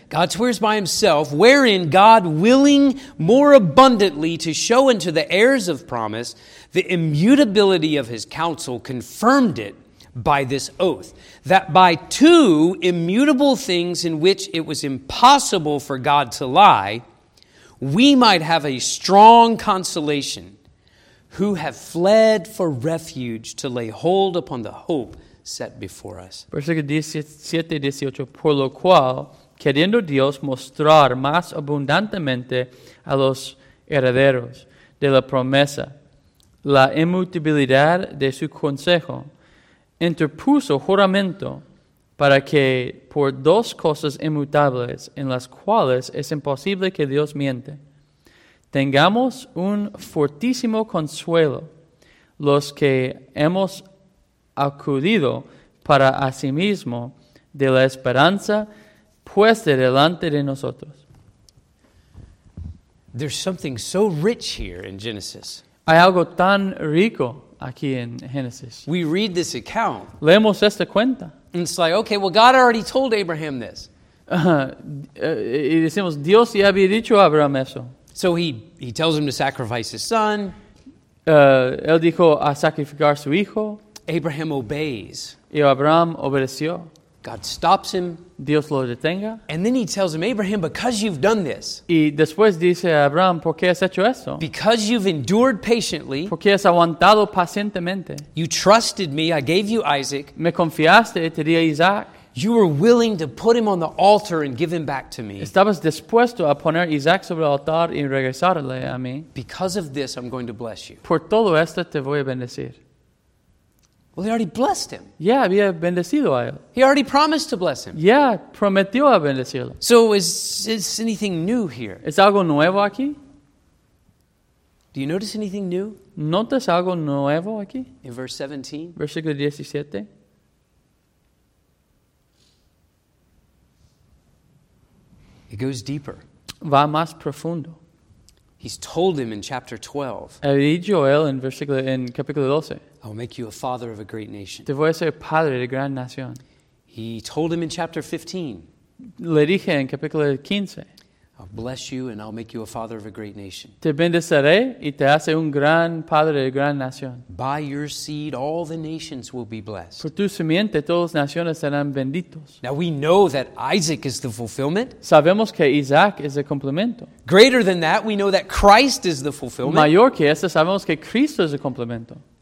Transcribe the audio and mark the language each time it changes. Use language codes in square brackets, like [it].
[en] God swears by himself, wherein God willing more abundantly to show unto the heirs of promise the immutability of his counsel, confirmed it by this oath, that by two immutable things in which it was impossible for God to lie, we might have a strong consolation, who have fled for refuge to lay hold upon the hope set before us. [es] Versículo 17 y 18. Por lo cual, queriendo Dios mostrar más abundantemente a los herederos de la promesa la inmutabilidad de su consejo, interpuso juramento para que por dos cosas inmutables en las cuales es imposible que Dios miente, tengamos un fortísimo consuelo los que hemos acudido para asimismo de la esperanza puesta delante de nosotros. [en] There's something so rich here in Genesis. [es] Hay algo tan rico aquí en Genesis. [en] We read this account. [es] Leemos esta cuenta. [en] And it's like, okay, well, God already told Abraham this. [es] Y decimos, Dios ya había dicho a Abraham eso. [en] So he tells him to sacrifice his son. [es] Él dijo a sacrificar su hijo. [en] Abraham obeys. [es] Y Abraham obedeció. [en] God stops him. [es] Dios lo detenga. [en] And then he tells him, Abraham, because you've done this. [es] Y después dice a Abraham, ¿por qué has hecho eso? [en] Because you've endured patiently. [es] Porque has aguantado pacientemente. [en] You trusted me. I gave you Isaac. [es] Me confiaste y te di a Isaac. [en] You were willing to put him on the altar and give him back to me. [es] Estabas dispuesto a poner Isaac sobre el altar y regresarle a mí. [en] Because of this, I'm going to bless you. [es] Por todo esto te voy a bendecir. [en] Well, he already blessed him. [es] Yeah, había bendecido a él. [en] He already promised to bless him. [es] Yeah, prometió a bendecirlo. [en] So is anything new here? [es] ¿Es algo nuevo aquí? [en] Do you notice anything new? [es] ¿Notas algo nuevo aquí? [en] In verse 17. [es] Versículo 17. [en] It goes deeper. [es] Va más profundo. [en] He's told him in chapter 12. [es] Había dicho él en capítulo 12. [en] I will make you a father of a great nation. [es] Te voy a ser padre de gran nación. [en] He told him in chapter 15. [es] Le dije en capítulo 15. [en] I'll bless you and I'll make you a father of a great nation. [es] Te bendeceré y te haré un gran padre de gran nación. [en] By your seed all the nations will be blessed. [es] Por tu simiente todas las naciones serán benditos. [en] Now we know that Isaac is the fulfillment. [es] Sabemos que Isaac es el complemento. [en] Greater than that, we know that Christ is the fulfillment. [es] Mayor que eso, sabemos que Cristo es el complemento.